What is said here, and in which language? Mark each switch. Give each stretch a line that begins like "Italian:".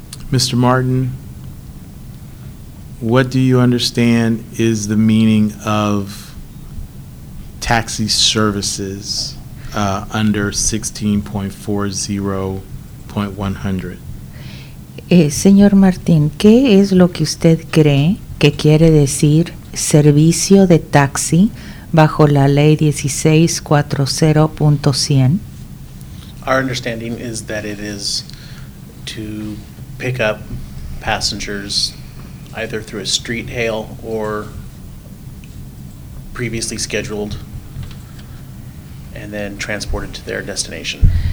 English: Mr. Martin, what do you understand is the meaning of taxi services under 16.40.100?
Spanish: Señor Martin, ¿qué es lo que usted cree que quiere decir servicio de taxi bajo la ley 16.40.100?
English: Our understanding is that it is to pick up passengers either through a street hail or previously scheduled and then transported to their destination.